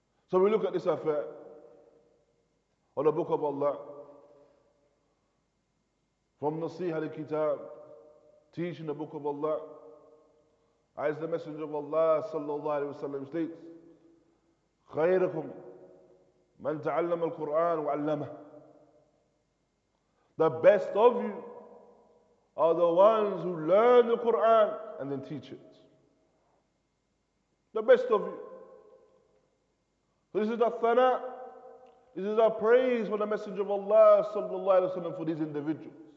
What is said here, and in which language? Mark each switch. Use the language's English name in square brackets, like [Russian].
[English] So we look at this affair on the Book of Allah, from Nasiha al-Kitab, teaching the Book of Allah, as the Messenger of Allah Sallallahu Alaihi Wasallam states, [Arabic] غيركم من تعلم القرآن وعلمه. [English] The best of you are the ones who learn the Quran and then teach it. The best of you. So this is the thana, this is our praise for the Messenger of Allah sallallahu alaihi wasallam for these individuals.